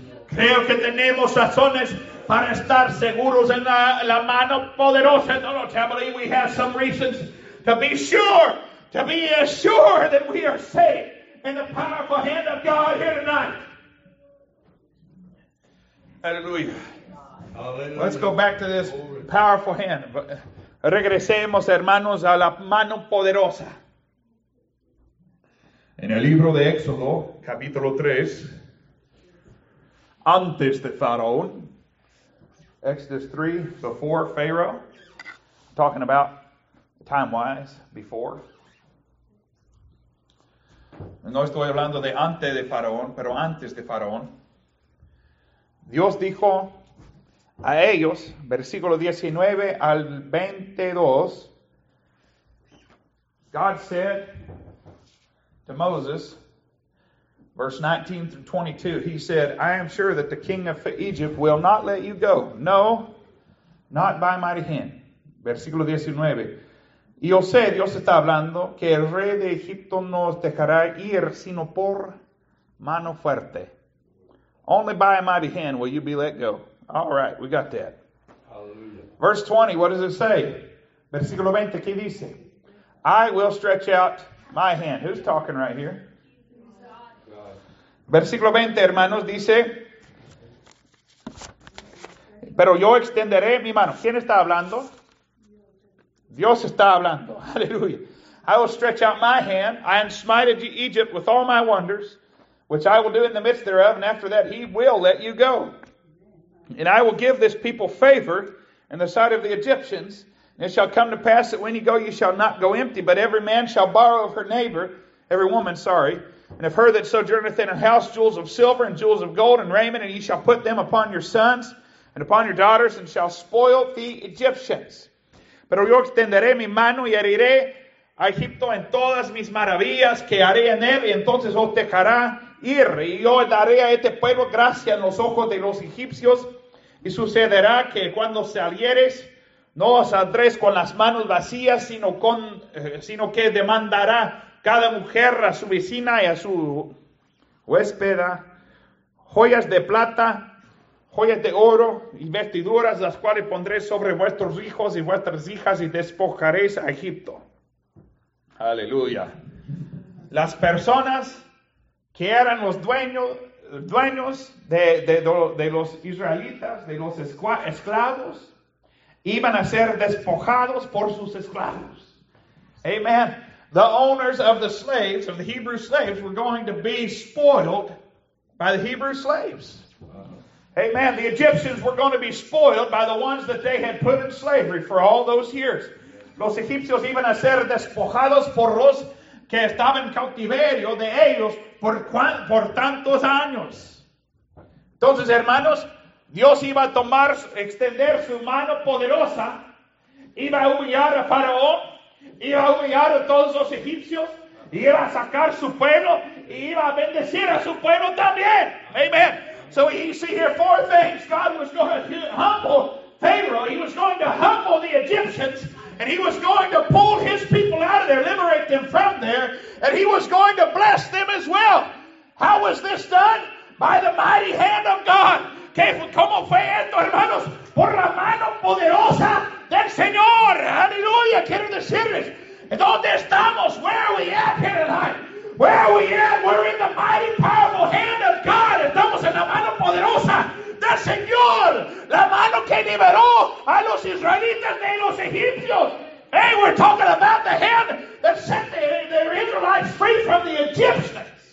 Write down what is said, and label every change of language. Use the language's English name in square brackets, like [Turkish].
[Spanish] Creo que tenemos razones para estar seguros en la mano poderosa. [English] Don't you believe we have some reasons to be sure that we are safe in the powerful hand of God here tonight. [Spanish] Aleluya. Aleluya. [English] Let's go back to this powerful hand. [Spanish] Regresemos, hermanos, a la mano poderosa. En el libro de Éxodo, capítulo 3, antes de Faraón, [English] Exodus 3, before Pharaoh, talking about time-wise, before. [Spanish] No estoy hablando de antes de Faraón, pero antes de Faraón. Dios dijo a ellos, versículo 19 al 22, [English] God said to Moses, verse 19 through 22, he said, I am sure that the king of Egypt will not let you go. No, not by mighty hand. [Spanish] Versículo 19. Yo sé, Dios está hablando, que el rey de Egipto no os dejará ir, sino por mano fuerte. [English] Only by a mighty hand will you be let go. All right, we got that. Hallelujah. Verse 20, what does it say? [Spanish] Versículo 20, ¿qué dice? [English] I will stretch out my hand. Who's talking right here? [Spanish] Versículo 20, hermanos, dice, pero yo extenderé mi mano. ¿Quién está hablando? Dios está hablando. Aleluya. [English] I will stretch out my hand. I have smited Egypt with all my wonders, which I will do in the midst thereof, and after that he will let you go. And I will give this people favor in the sight of the Egyptians. And it shall come to pass that when you go, you shall not go empty, but every man shall borrow of her neighbor, every woman, sorry, and of her that sojourneth in her house, jewels of silver and jewels of gold and raiment, and ye shall put them upon your sons and upon your daughters, and shall spoil the Egyptians. [Spanish] Pero yo extenderé mi mano y heriré a Egipto en todas mis maravillas que haré en él, y entonces os dejará ir, y yo daré a este pueblo gracia en los ojos de los egipcios, y sucederá que cuando salieres, no saldréis con las manos vacías, sino que demandará cada mujer a su vecina y a su huéspeda joyas de plata, joyas de oro y vestiduras, las cuales pondré sobre vuestros hijos y vuestras hijas y despojaréis a Egipto. Aleluya. Las personas que eran los dueños de los israelitas, de los esclavos, iban a ser despojados por sus esclavos. [English] Amen. The owners of the slaves, of the Hebrew slaves, were going to be spoiled by the Hebrew slaves. Amen. The Egyptians were going to be spoiled by the ones that they had put in slavery for all those years. [Spanish] Los egipcios iban a ser despojados por los que estaban en cautiverio de ellos por tantos años. Entonces, hermanos, Dios iba a extender su mano poderosa, iba a humillar a Faraón, iba a humillar a todos los egipcios, iba a sacar su pueblo, y iba a bendecir a su pueblo también. [English] Amen. So you see here four things. God was going to humble Pharaoh. He was going to humble the Egyptians. And he was going to pull his people out of there, liberate them from there. And he was going to bless them as well. How was this done? By the mighty hand of God. [Spanish] ¿Cómo fue esto, hermanos? Por la mano poderosa del Señor. Aleluya. Quiero decirles, ¿dónde estamos? [English] Where are we at here tonight? Where are we at? We're in the mighty, powerful hand of God. [Spanish] Estamos en la mano poderosa del Señor. La mano que liberó a los israelitas de los egipcios. [English] Hey, we're talking about the hand that set the Israelites free from the Egyptians.